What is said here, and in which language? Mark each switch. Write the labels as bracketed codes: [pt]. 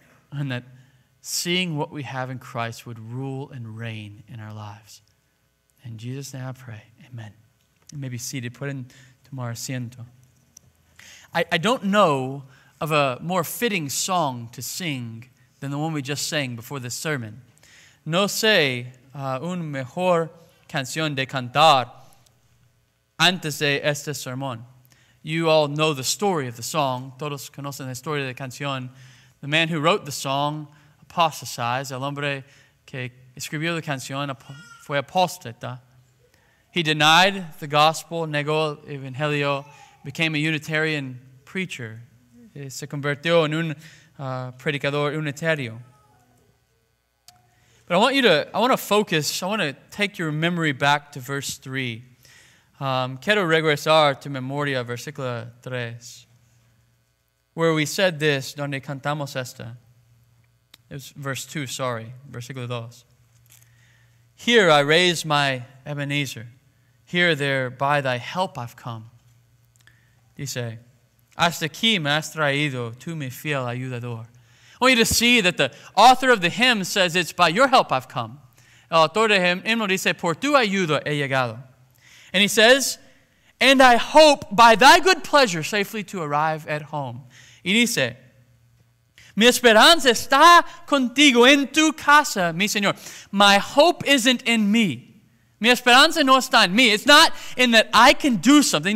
[en] And that seeing what we have in Christ would rule and reign in our lives. In Jesus' name I pray, amen. You may be seated. Put in [es] tomar asiento. [en] I don't know of a more fitting song to sing than the one we just sang before this sermon. [es] No sé un mejor canción de cantar antes de este sermón. [en] You all know the story of the song. [es] Todos conocen la historia de la canción. [en] The man who wrote the song apostatized. [es] El hombre que escribió la canción fue apóstata. [en] He denied the gospel, [es] negó el evangelio, [en] became a Unitarian preacher. [es] Se convirtió en un predicador unitario. [en] But I want to take your memory back to verse 3. [es] Quiero regresar tu memoria, versículo 3, [en] where we said this, [es] donde cantamos esta. [en] It was verse 2, sorry, [es] versículo 2. [en] Here I raise my Ebenezer. Here there by thy help I've come. [es] Dice, hasta aquí me has traído tú mi fiel ayudador. [en] I want you to see that the author of the hymn says it's by your help I've come. [es] El autor del himno dice, por tu ayuda he llegado. [en] And he says, and I hope by thy good pleasure safely to arrive at home. [es] Y dice, mi esperanza está contigo en tu casa, mi señor. [en] My hope isn't in me. [es] Mi esperanza no está en mí. [en] It's not in that I can do something.